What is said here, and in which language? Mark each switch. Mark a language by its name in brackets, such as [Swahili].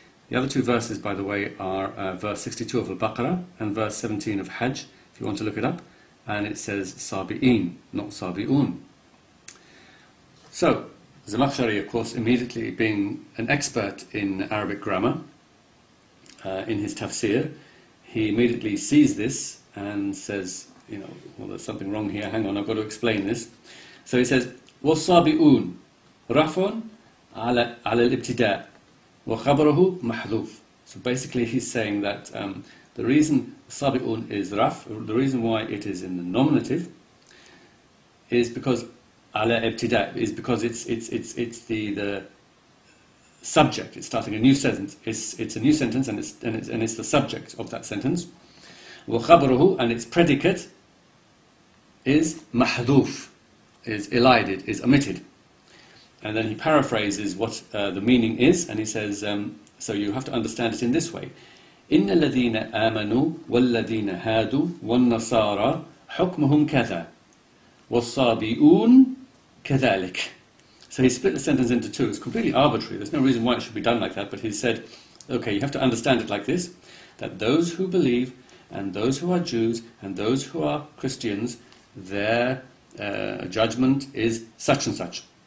[English] The other two verses, by the way, are verse 62 of Al-Baqarah and verse 17 of Hajj, if you want to look it up, and it says sabi'in, not sabi'un. So, Zamakhshari, of course, immediately being an expert in Arabic grammar, in his tafsir, he immediately sees this and says, you know, well, there's something wrong here, hang on, I've got to explain this. So he says, [Arabic] وَصَابِئُونَ رَفْعٌ عَلَى الْإِبْتِدَاءِ وَخَبَرَهُ مَحْذُوفٌ. [English] So basically he's saying that the reason صَابِئُون is raf, the reason why it is in the nominative, is because [Arabic] عَلَى الْإِبْتِدَاءِ, [English] is because it's the subject, it's starting a new sentence, it's a new sentence and it's the subject of that sentence. وَخَبَرُهُ, and its predicate is mahduf, is elided, is omitted. And then he paraphrases what the meaning is, and he says, so you have to understand it in this way. [Arabic] إن الذين آمنوا والذين هادوا والنصارى حكمهم كذا والصابئون كذلك. [English] So he split the sentence into two. It's completely arbitrary. There's no reason why it should be done like that. But he said, okay, you have to understand it like this, that those who believe and those who are Jews and those who are Christians, their judgment is such and such.